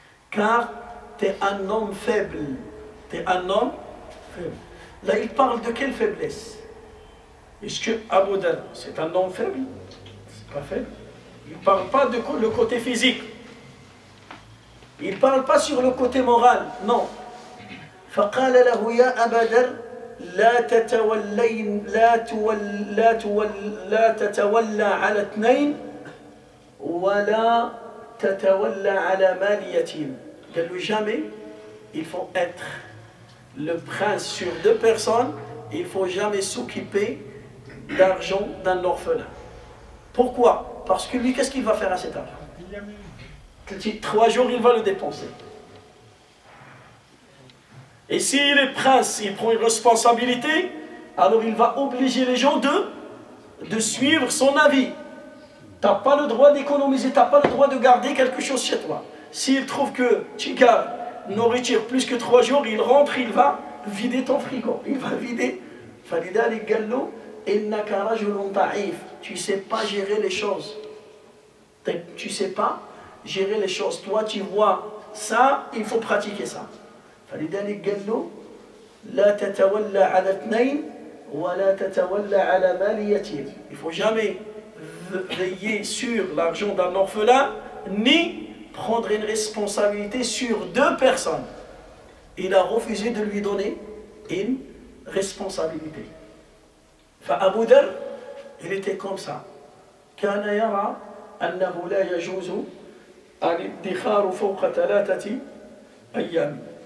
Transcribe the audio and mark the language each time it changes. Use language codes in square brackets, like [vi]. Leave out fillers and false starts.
[fr] Car tu es un homme faible. Tu es un homme faible. Là, il parle de quelle faiblesse? Est-ce que Abu Dharr, c'est un homme faible? C'est pas faible. Il ne parle pas de le côté physique. Il ne parle pas sur le côté moral. Non. [ar] فقال له يا أبا ذر لا تتولي لا تول لا تول لا تتولى على اثنين ولا تتولى على مال يتيم. قال له [fr] jamais il faut être le prince sur deux personnes, il faut jamais s'occuper d'argent d'un orphelin. Pourquoi? Parce que lui, qu'est-ce qu'il va faire à cet argent? Trois jours il va le dépenser. Et s'il est prince, il prend une responsabilité, alors il va obliger les gens de suivre son avis. Tu n'as pas le droit d'économiser, tu n'as pas le droit de garder quelque chose chez toi. S'il trouve que tu gardes nourriture plus que trois jours, il rentre, il va vider ton frigo. Il va vider. Falida les gallo, [ar] inna karajulun ta'if. [fr] Tu ne sais pas gérer les choses. Tu ne sais pas gérer les choses. Toi, tu vois ça, il faut pratiquer ça. [ar] فلذلك قال له لا تتولى على اثنين ولا تتولى على مال يتيم. [fr] Il faut jamais veiller sur l'argent d'un orphelin ni prendre une responsabilité sur deux personnes. Il a refusé de lui donner une responsabilité. فأبو ذر, il était comme ça. [ar] كان يرى أنه لا يجوز الادخار فوق ثلاثة أيام.